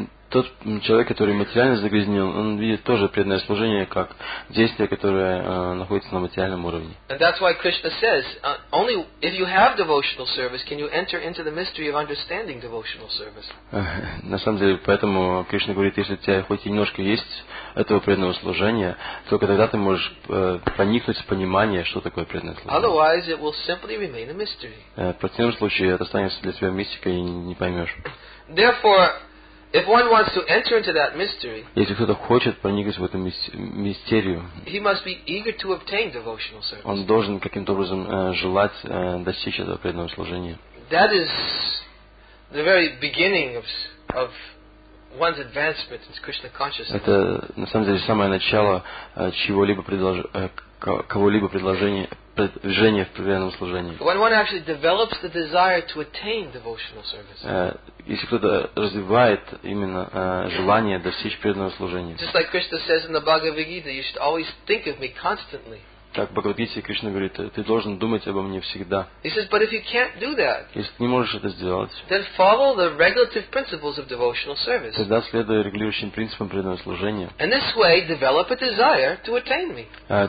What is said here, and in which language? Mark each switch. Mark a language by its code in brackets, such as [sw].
[ru] Тот человек, который материально загрязнен, он видит тоже преданное служение как действие, которое находится на материальном уровне. [en] And that's why Krishna says, only if you have devotional service can you enter into the mystery of understanding devotional service. [ru] На самом деле, поэтому Кришна говорит, если у тебя хоть немножко есть этого преданного служения, только тогда ты можешь проникнуть в понимание, что такое преданное служение. [en] Otherwise, it will simply remain a mystery. [ru] В противном случае, это останется для тебя мистикой и не поймешь. [en] Therefore, if one wants to enter into that mystery, [ru] если кто-то хочет проникнуть в эту мистерию, [en] he must be eager to obtain devotional service. [ru] Он должен каким-то образом желать достичь этого преданного служения. [en] That is the very beginning of one's advancement in Krishna consciousness. [ru] Это на самом деле самое начало чего-либо кого-либо предложения. Движение в преданном служении. [en] When one actually develops the desire to attain devotional service. [ru] Если кто-то развивает именно желание достичь преданного служения. [en] Just like Krishna says in the Bhagavad Gita, you should always think of me constantly. [ru] Так в Бхагавад Гите Кришна говорит, ты должен думать обо мне всегда. [en] He says, but if you can't do that, [ru] если ты не можешь это сделать, [en] then follow the regulative principles of devotional service. [ru] Тогда следуй регулирующим принципам преданного служения. [en] And this way, develop a desire to attain me.